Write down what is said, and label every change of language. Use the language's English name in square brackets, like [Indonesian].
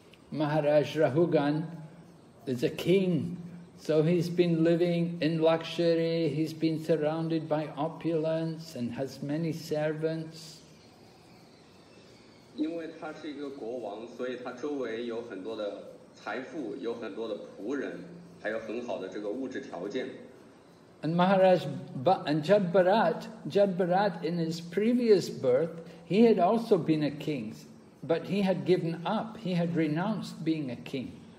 [English] Maharaj Rahugan is a king, so he's been living in luxury, he's been surrounded by opulence and has many servants. [Chinese] 因为他是一个国王，所以他周围有很多的财富，有很多的仆人，还有很好的这个物质条件。And [English] Maharaj and Jad Bharat in his previous birth, he had also been a king, but he had given up, he had renounced being a king.